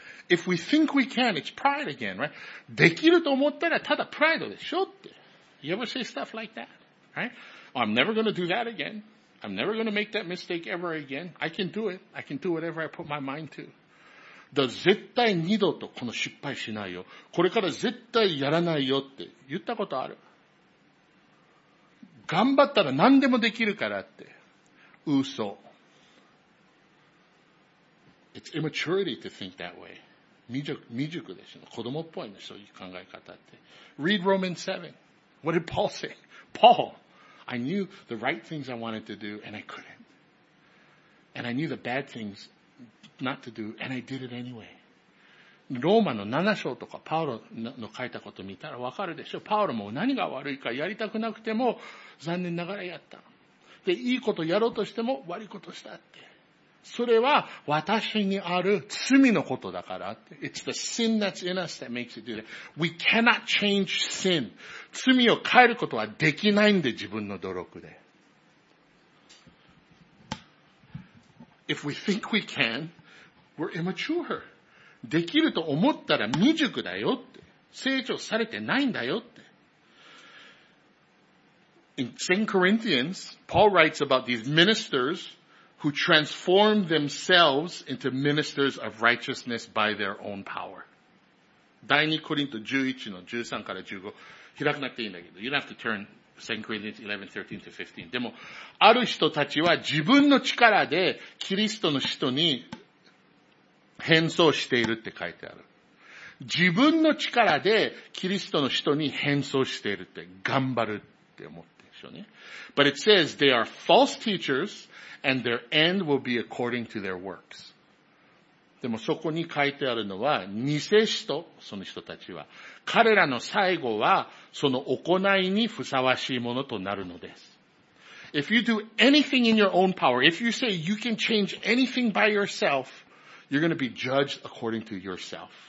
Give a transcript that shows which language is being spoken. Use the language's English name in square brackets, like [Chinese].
[English] If we think we can, it's pride again, right? [Japanese] できると思ったらただプライドでしょって。 [English] You ever say stuff like that, right? I'm never going to do that again. I'm never going to make that mistake ever again. I can do it. I can do whatever I put my mind to. [Japanese] だ絶対二度とこの失敗しないよ。これから絶対やらないよって言ったことある。頑張ったら何でもできるからって。嘘。 [English] It's immaturity to think that way. [Japanese] 未熟でしょ。子供っぽいね、そういう考え方って。 [English] Read Romans 7. What did Paul say? Paul, I knew the right things I wanted to do and I couldn't. And I knew the bad things not to do and I did it anyway. [Japanese] ローマの7章とかパウロの書いたこと見たらわかるでしょ。パウロも何が悪いかやりたくなくても残念ながらやった。で、いいことやろうとしても悪いことしたって。それは私にある罪のことだからって。 [English] It's the sin that's in us that makes it do that. We cannot change sin. [Japanese] 罪を変えることはできないんで、自分の努力で。 [English] If we think we can, we're immature. [Japanese] できると思ったら未熟だよって。成長されてないんだよって。 [English] In 2 Corinthians, Paul writes about these ministers who transform themselves into ministers of righteousness by their own power. [Japanese] 第2コリント11の13から15開かなくていいんだけど、 [English] you don't have to turn 2 Corinthians 11, 13 to 15. [Japanese] でも、ある人たちは自分の力でキリストの使徒に変装しているって書いてある。自分の力でキリストの使徒に変装しているって頑張るって思ってるでしょうね。 [English] But it says they are false teachers and their end will be according to their works. [Japanese] でもそこに書いてあるのは、偽使徒、その人たちは、彼らの最後は、その行いにふさわしいものとなるのです。 [English] If you do anything in your own power, if you say you can change anything by yourself, you're going to be judged according to yourself.